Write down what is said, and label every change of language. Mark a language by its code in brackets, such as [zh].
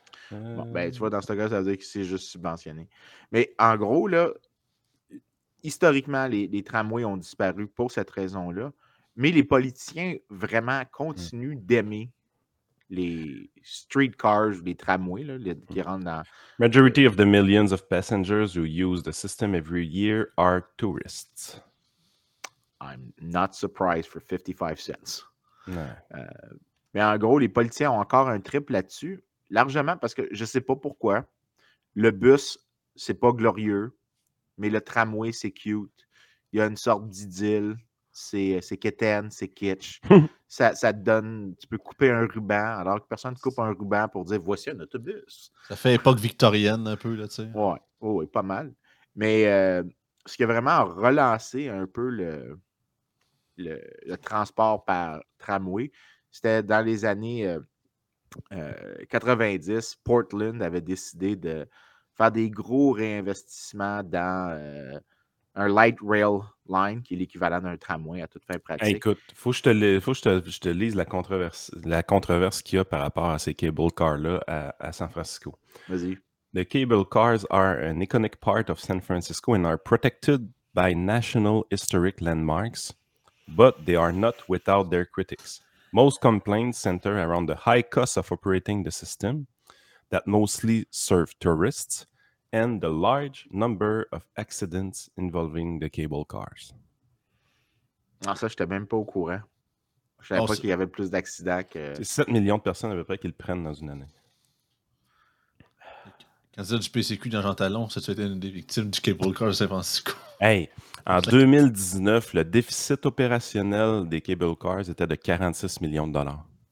[fr] Bon, ben, tu vois, dans ce cas, ça veut dire que c'est juste subventionné. Mais en gros, là, historiquement, les tramways ont disparu pour cette raison-là. Mais les politiciens vraiment continuent d'aimer les streetcars, les tramways là, qui rentrent dans. [en] Majority of the millions of passengers who use the system every year are tourists. I'm not surprised for 55 cents. [fr] Non. Mais en gros, les politiciens ont encore un trip là-dessus, largement parce que je ne sais pas pourquoi. Le bus, c'est pas glorieux. mais le tramway, c'est cute. Il y a une sorte d'idylle. C'est quétaine, c'est kitsch. Ça te donne... Tu peux couper un ruban, alors que personne ne coupe un ruban pour dire « Voici un autobus! » Ça fait époque victorienne, un peu, là, tu sais. Ouais. Oh, ouais, pas mal. Mais ce qui a vraiment relancé un peu le transport par tramway, c'était dans les années 90, Portland avait décidé de faire des gros réinvestissements dans un light rail line, qui est l'équivalent d'un tramway à toute fin pratique. Hey, écoute, faut que je te lise la controverse qu'il y a par rapport à ces cable cars-là à San Francisco. Vas-y. [en] The cable cars are an iconic part of San Francisco and are protected by national historic landmarks, but they are not without their critics. Most complaints center around the high cost of operating the system that mostly serve tourists and the large number of accidents involving the cable cars. [fr] Ah, ça, j'étais même pas au courant. Je savais pas qu'il y avait plus d'accidents que... C'est 7 millions de personnes à peu près qui le prennent dans une année. Quand tu as du PCQ dans Jean Talon, ça, tu étais une des victimes du cable car de San Francisco. Hey! En 2019, le déficit opérationnel des cable cars était de 46 millions de dollars.